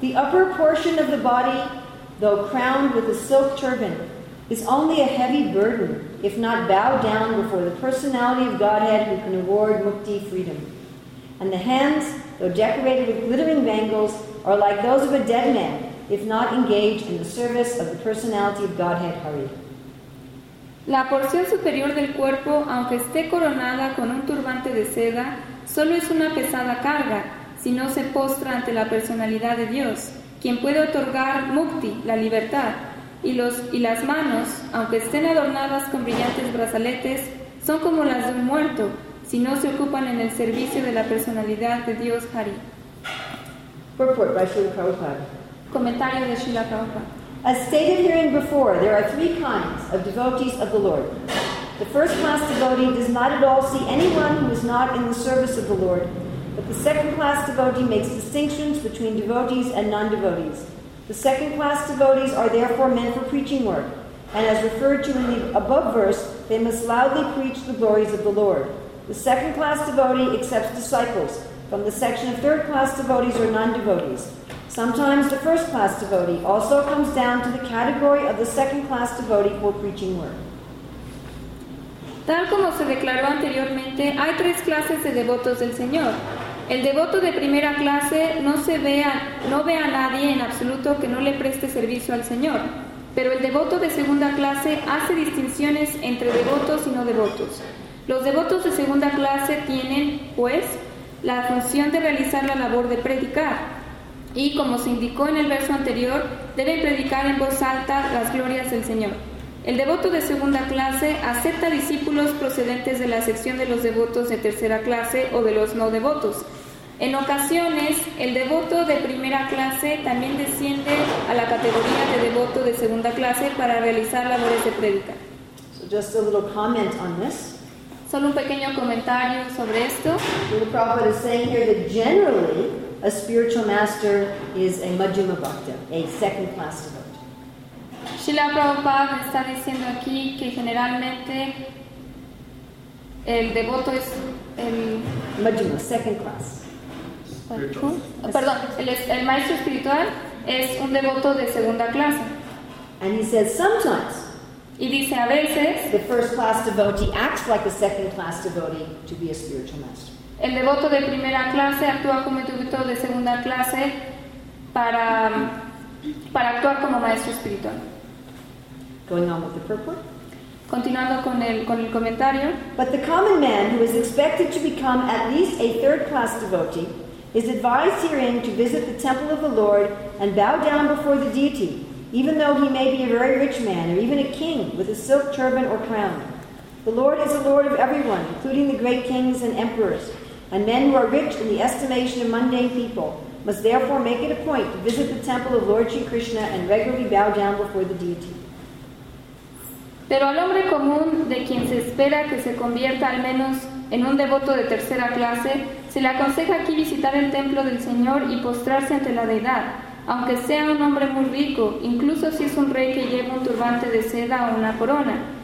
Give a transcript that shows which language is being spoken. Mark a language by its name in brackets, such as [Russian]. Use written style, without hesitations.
[English] The upper portion of the body, though crowned with a silk turban, is only a heavy burden if not bowed down before the personality of Godhead who can award mukti freedom. And the hands, though decorated with glittering bangles, are like those of a dead man if not engaged in the service of the personality of Godhead Hari. [Spanish] La porción superior del cuerpo, aunque esté coronada con un turbante de seda, solo es una pesada carga, si no se postra ante la personalidad de Dios, quien puede otorgar mukti, la libertad, y las manos, aunque estén adornadas con brillantes brazaletes, son como las de un muerto, si no se ocupan en el servicio de la personalidad de Dios Hari. [English] Purport by Srila Prabhupada. [Spanish] Comentario de Srila Prabhupada. [English] As stated herein before, there are three kinds of devotees of the Lord. The first class devotee does not at all see anyone who is not in the service of the Lord. But the second-class devotee makes distinctions between devotees and non-devotees. The second-class devotees are therefore meant for preaching work, and as referred to in the above verse, they must loudly preach the glories of the Lord. The second-class devotee accepts disciples from the section of third-class devotees or non-devotees. Sometimes the first-class devotee also comes down to the category of the second-class devotee for preaching work. [Spanish] Tal como se declaró anteriormente, hay tres clases de devotos del Señor. El devoto de primera clase no ve a nadie en absoluto que no le preste servicio al Señor, pero el devoto de segunda clase hace distinciones entre devotos y no devotos. Los devotos de segunda clase tienen, pues, la función de realizar la labor de predicar y, como se indicó en el verso anterior, deben predicar en voz alta las glorias del Señor. El devoto de segunda clase acepta discípulos procedentes de la sección de los devotos de tercera clase o de los no devotos. En ocasiones, el devoto de primera clase también desciende a la categoría de devoto de segunda clase para realizar labores de prédica. [English] So just a little comment on this. [Spanish] Solo un pequeño comentario sobre esto. [English] The Prophet is saying here that generally a spiritual master is a Majjhima Bhakta, a second class devotee. [Spanish] Srila Prabhupada está diciendo aquí que generalmente el devoto es el [English] Majjhima, second class. [Spanish] Perdón, el maestro espiritual es un devoto de segunda clase. [English] And he says sometimes. [Spanish] Y dice a veces. [English] The first class devotee acts like a second class devotee to be a spiritual master. [Spanish] El devoto de primera clase actúa como el devoto de segunda clase para actuar como maestro espiritual. [English] Going on with the purport. [Spanish] Continuando con el comentario. [English] But the common man who is expected to become at least a third class devotee is advised herein to visit the temple of the Lord and bow down before the deity, even though he may be a very rich man or even a king with a silk turban or crown. The Lord is the Lord of everyone, including the great kings and emperors, and men who are rich in the estimation of mundane people must therefore make it a point to visit the temple of Lord Sri Krishna and regularly bow down before the deity. [Spanish] Pero al hombre común, de quien se espera que se convierta al menos en un devoto de tercera clase, se le aconseja aquí visitar el templo del Señor y postrarse ante la Deidad, aunque sea un hombre muy rico, incluso si es un rey que lleva un turbante de seda o una corona.